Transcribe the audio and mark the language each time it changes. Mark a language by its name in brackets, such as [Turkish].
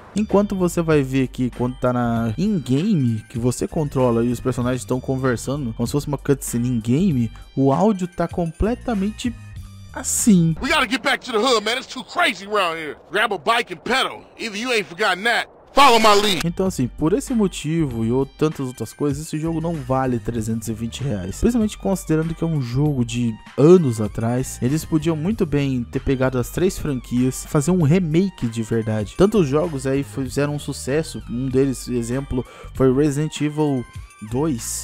[Portuguese] Enquanto você vai ver que quando tá na in-game, que você controla e os personagens estão conversando como se fosse uma cutscene in-game, o áudio tá completamente assim. [English] We gotta get back to the hood, man. It's too crazy around here. Grab a bike and pedal. Either you ain't forgotten that. Follow my lead. [Portuguese] Então assim, por esse motivo e tantas outras coisas, esse jogo não vale R$320. Principalmente considerando que é um jogo de anos atrás, eles podiam muito bem ter pegado as três franquias, fazer um remake de verdade. Tantos jogos aí fizeram um sucesso, um deles, exemplo, foi Resident Evil 2.